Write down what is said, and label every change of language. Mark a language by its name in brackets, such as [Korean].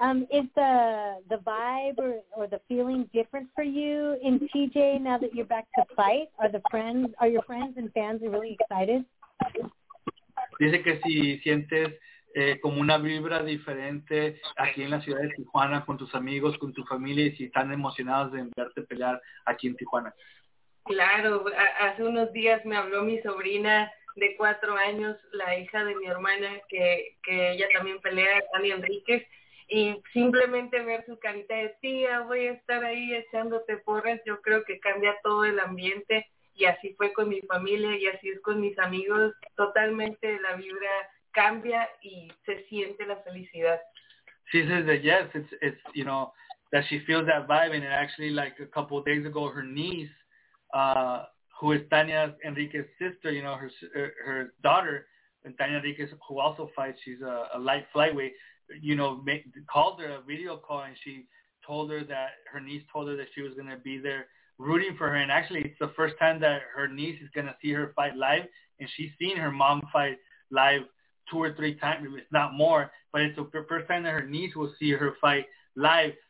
[English] Is the vibe or the feeling different for you in TJ now that you're back to fight? Are your friends and fans really excited? [Spanish] Dice que si sientes como una vibra diferente aquí en la ciudad de Tijuana con tus amigos, con tu familia, y si están emocionados de verte pelear aquí en Tijuana. Claro, hace unos días me habló mi sobrina de 4 años, la hija de mi hermana, que ella también pelea, Kenia Enriquez, y simplemente ver su carita de tía, voy a estar ahí echándote porras, yo creo que cambia todo el ambiente, y así fue con mi familia, y así es con mis amigos, totalmente la vibra cambia y se siente la felicidad. [English] She says that yes, it's you know, that she feels that vibe, and it actually, like a couple of days ago, her niece, who is Tania Enriquez's sister, you know, her daughter, and Tania Enriquez, who also fights, she's a light flyweight, you know, called her a video call, and she told her that her niece told her that she was going to be there rooting for her, and actually, it's the first time that her niece is going to see her fight live, and she's seen her mom fight live 2 or 3 times, if not more, but it's the first time that her niece will see her fight live.